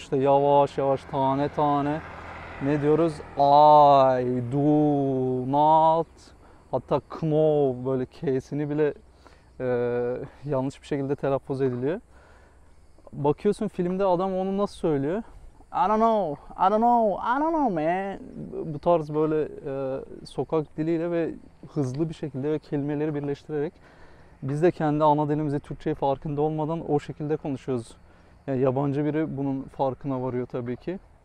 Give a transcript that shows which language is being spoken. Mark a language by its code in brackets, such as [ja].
[tr] İşte yavaş yavaş, tane tane. Ne diyoruz? [en] I do not. [tr] Hatta kno, böyle K'sini bile yanlış bir şekilde telaffuz ediliyor. Bakıyorsun filmde adam onu nasıl söylüyor? [en] I don't know, I don't know, I don't know man. [tr] Bu tarz böyle sokak diliyle ve hızlı bir şekilde ve kelimeleri birleştirerek biz de kendi ana dilimizi, Türkçe'yi farkında olmadan o şekilde konuşuyoruz. Yani yabancı biri bunun farkına varıyor tabii ki.